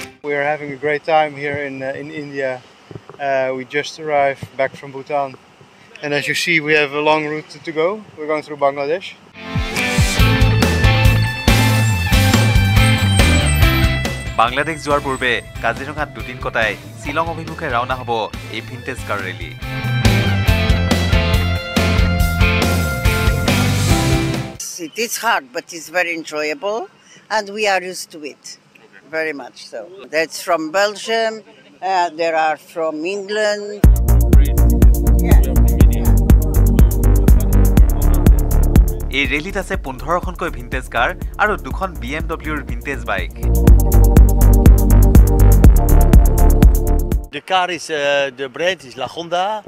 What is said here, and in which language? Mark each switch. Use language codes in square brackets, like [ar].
[en] We are having a great time here in India. We just arrived back from Bhutan. And as you see, we have a long route to go. We're going through Bangladesh. [as] Bangladesh যোৱাৰ পূৰ্বে কাজিৰঙাত দুদিন কটাই শ্বিলং অভিমুখে ৰাওনা হ'ব এই vintage car rally. [en] It is hard but it's very enjoyable and we are used to it very much so. That's from Belgium, there are from England. [as] এই ৰেলীত আছে 15খনকৈ ভিনটেজ কাৰ আৰু 2খন BMWৰ vintage bike. [en] The car is the brand is La Honda.